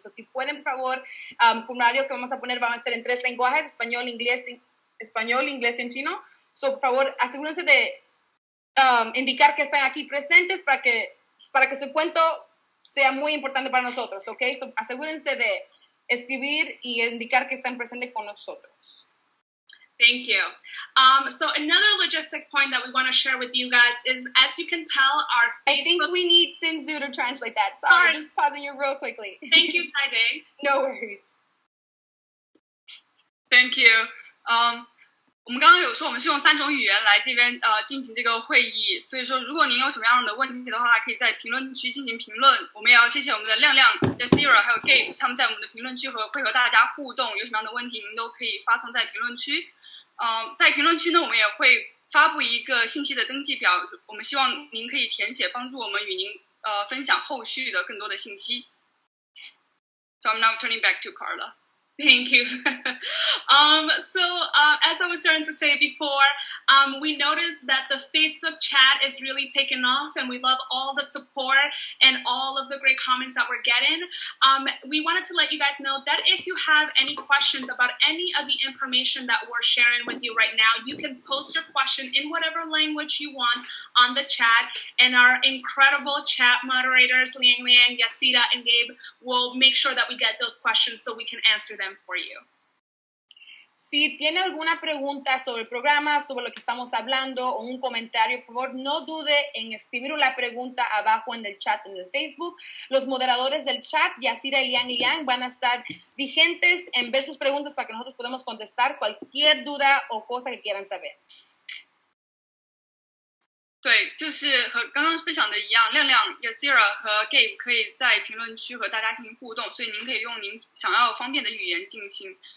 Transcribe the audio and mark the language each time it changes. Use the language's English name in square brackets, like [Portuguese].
[Spanish] So, si pueden, por favor, formulario que vamos a poner va a ser en 3 lenguajes, español, inglés y en chino. So, por favor, asegúrense de indicar que están aquí presentes para que su cuento sea muy importante para nosotros, ¿ok? So, asegúrense de escribir y indicar que están presentes con nosotros. [English] Thank you. So another logistic point that we want to share with you guys is, as you can tell, our Facebook... I think we need Sinzu to translate that. Sorry, I'm just pausing you real quickly. Thank you, Taiday. No worries. Thank you. [Chinese] 我们刚刚有说我们是用三种语言来这边进行这个会议，所以说如果您有什么样的问题的话，可以在评论区进行评论。我们也要谢谢我们的亮亮的 Zero 还有 Gabe， 他们在我们的评论区和会和大家互动，有什么样的问题您都可以发送在评论区。在评论区呢，我们也会发布一个信息的登记表，我们希望您可以填写，帮助我们与您分享后续的更多的信息。 [English] So I'm now turning back to Carla. Thank you. as I was starting to say before, we noticed that the Facebook chat is really taking off, and we love all the support and all of the great comments that we're getting. We wanted to let you guys know that if you have any questions about any of the information that we're sharing with you right now, you can post your question in whatever language you want on the chat, and our incredible chat moderators, Liang Liang, Yasida, and Gabe, will make sure that we get those questions so we can answer them for you. [Spanish] Si tiene alguna pregunta sobre el programa, sobre lo que estamos hablando, o un comentario, por favor, no dude en escribir la pregunta abajo en el chat en el Facebook. Los moderadores del chat, Yasira y Liang Liang, van a estar vigentes en ver sus preguntas para que nosotros podamos contestar cualquier duda o cosa que quieran saber. [Chinese] 对，就是和刚刚分享的一样，亮亮 Yasira 和 Gabe 可以在评论区和大家进行互动，所以您可以用您想要方便的语言进行。